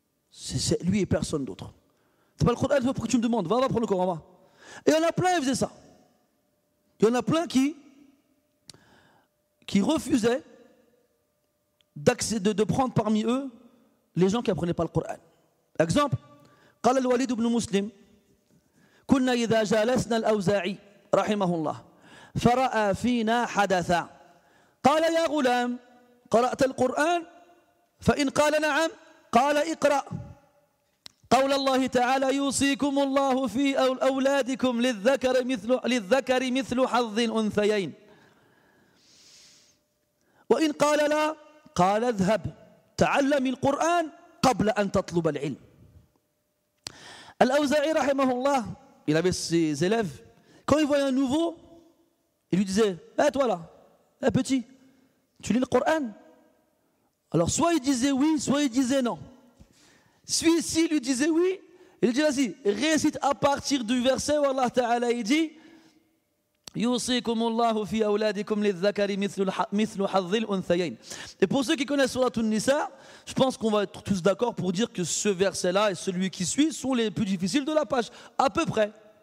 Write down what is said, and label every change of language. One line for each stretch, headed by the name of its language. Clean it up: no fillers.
French: C'est lui et personne d'autre. C'est pas le Coran, c'est pas pour que tu me demandes. Va prendre le Coran, va. Et il y en a plein qui faisaient ça. Il y en a plein qui refusaient de prendre parmi eux les gens qui apprenaient pas le Coran.
Arabic: Exemple, قال الوليد بن مسلم كنا إذا جالسنا الأوزاعي رحمه الله فرأى فينا حدثا قال يا غلام قرأت القرآن فإن قال نعم قال اقرأ قول الله تعالى يوصيكم الله في أولادكم للذكر مثل حظ أنثيين
French: وإن قال لا قال اذهب تعلم القرآن قبل أن تطلب العلم الأوزاعي رحمه الله il avait ses élèves quand il voyait un nouveau il lui disait toi là petit tu lis le Coran? Alors soit il disait oui, soit il disait non. Celui-ci lui disait oui, il lui dit vas-y, récite à partir du verset où Allah Ta'ala il dit يوصيكم الله في أولادكم للذكر مثل حظ الأنثيين. Et pour ceux qui connaissent Sourate An-Nisa, je pense qu'on va être tous d'accord pour dire que ce verset-là et celui qui suit sont les plus difficiles de la page, à peu près.